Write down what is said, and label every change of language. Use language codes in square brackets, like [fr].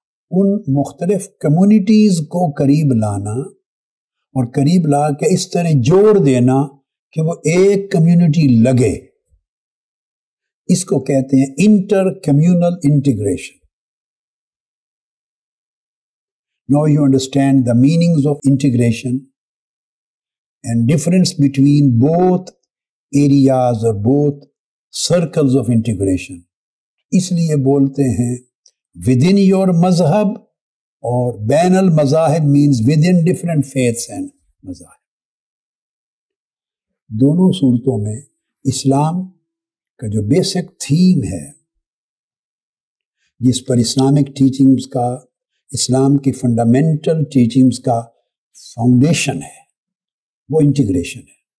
[ur] ان مختلف کمیونٹیز کو قریب لانا اور قریب لا کے اس طرح جوڑ دینا کہ وہ ایک کمیونٹی لگے, اس کو کہتے ہیں inter communal integration. [en] Now you understand the meanings of integration and difference between both areas or both circles of integration. [ur] اس لیے بولتے ہیں [en] within your mazhab [ur] اور بین المذاہب, [en] means within different faiths and mazahib. [ur] دونوں صورتوں میں اسلام کا جو basic theme ہے جس پر اسلامک ٹیچنگز کا, اسلام کی فنڈامنٹل ٹیچنگز کا فاؤنڈیشن ہے وہ انٹیگریشن ہے.